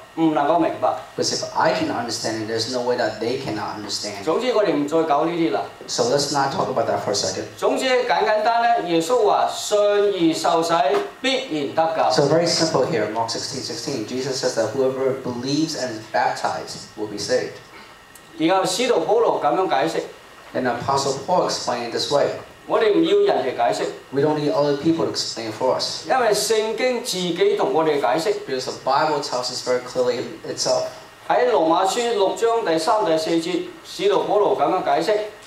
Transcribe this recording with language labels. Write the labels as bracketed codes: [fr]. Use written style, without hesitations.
[en] Because if I can understand it, there's no way that they cannot understand. So let's not talk about that for a second. [yue] 总之简单单，耶稣话信而受洗必然得救。 [en] So very simple here, Mark 16:16, Jesus says that whoever believes and is baptized will be saved. [yue] 然后使徒保罗咁样解释。 [en] And Apostle Paul explained it this way. [yue] 我哋唔要人嚟解释。 [en] We don't need other people to explain it for us. [yue] 因为圣经自己同我哋解释。 [en] Because the Bible tells us very clearly itself. [yue] 喺罗马书6:3-4，使徒保罗咁样解释。